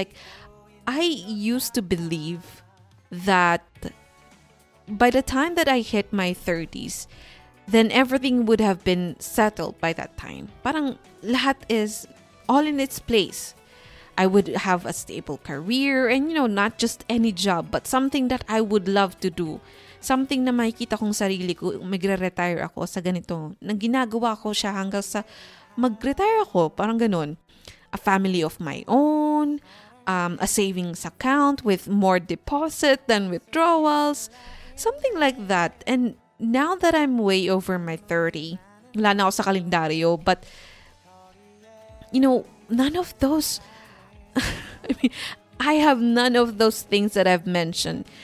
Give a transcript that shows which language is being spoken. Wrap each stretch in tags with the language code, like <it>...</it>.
<en>Like, I used to believe that by the time that I hit my 30s, then everything would have been settled by that time.</en> <tl>Parang lahat</tl> <en>is all in its place. I would have a stable career, and you know, not just any job, but something that I would love to do.</en> <tl>Something na makikita kong sarili ko, magre-retire ako sa ganito. Naginagawa ko siya hanggang sa mag-retire ako, parang ganun.</tl> <en>A family of my own, a savings account with more deposit than withdrawals. Something like that. And now that I'm way over my 30,</en> <tl>wala na ako sa kalendaryo,</tl> <en>but you know, none of those I have none of those things that I've mentioned.</en>